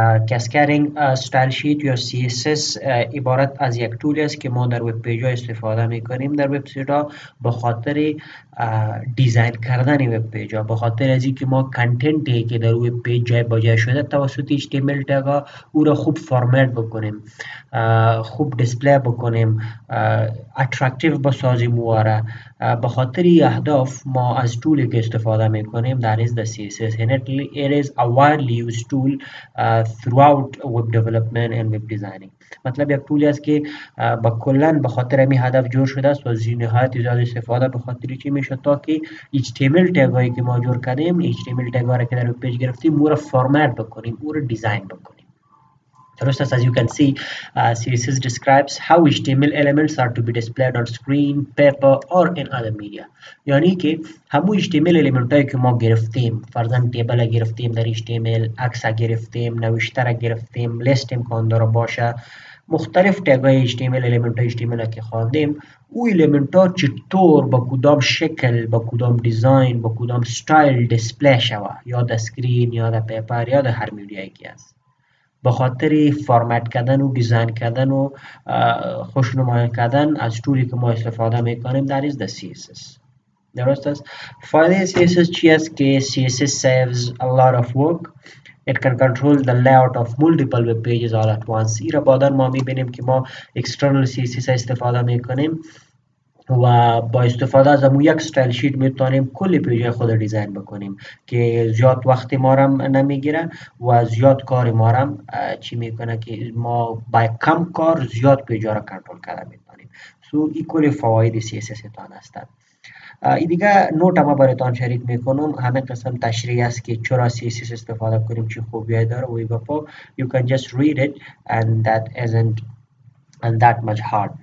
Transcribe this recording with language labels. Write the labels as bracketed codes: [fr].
[fa] Cascading Style Sheet یا CSS عبارت از یک تولی است که ما در ویب پیج ها استفاده میکنیم، در ویب سایت ها، به خاطر دیزاین کردن ویب پیج ها، به خاطر از اینکه ما کانتنت ای که در ویب پیج جای بجای شده توسط HTML تگ ها او را خوب فرمت بکنیم، خوب دیسپلی بکنیم، اتراکتیو بسازیم و را به خاطر اهداف ما از تولی که استفاده میکنیم در از CSS. [en] It is a widely used tool throughout web development and web designing. [fa] مطلب یک تولی است که به کلن به خاطر همین هدف جور شده است و نهایت زیاد استفاده به خاطر چی میشه، تا که HTML تگ هایی که ما جور کردیم، HTML تگ هایی که در پیج گرفتیم او را فرمت بکنیم، او را دیزاین بکنیم. [en] First, as you can see, CSS describes how HTML elements are to be displayed on screen, paper, or in other media. [fa] یعنی که همو HTML element هایی که ما گرفتیم، فرضاً تیبل گرفتیم در HTML، عکس گرفتیم، نوشته گرفتیم، لیست هم کاندار باشه، مختلف تگ های HTML element های HTML که خواندیم، او element ها چطور با کدام شکل، با کدام دیزاین، با کدام ستایل دیسپلی شوه، یا در سکرین، یا در پیپر، یا در هر میدیا که هست. به خاطر فرمت کردن و دیزاین کردن و خوشنمایی کردن از طوری که ما استفاده میکنیم در از CSS. درست است؟ فایده CSS چی است؟ که [en] CSS saves a lot of work. It can control the layout of multiple web pages all at once. [fa] ایره بادر ما میبینیم که ما external CSS استفاده میکنیم، و با استفاده از امو یک ستایل شیت میتونیم کل پروژه خود دیزاین بکنیم که زیاد وقت ما را نمیگیره و زیاد کار ما را چی میکنه که ما با کم کار زیاد پروژه را کنترل کرده میتونیم. سو این کل فواید سی اس اس تان هستند. ای دیگه نوت ما برایتان شریک میکنم، همه قسم تشریح است که چرا سی اس اس استفاده کنیم، چه خوبیایی داره و ایگا [en] پا you can just read it and that isn't and that much hard.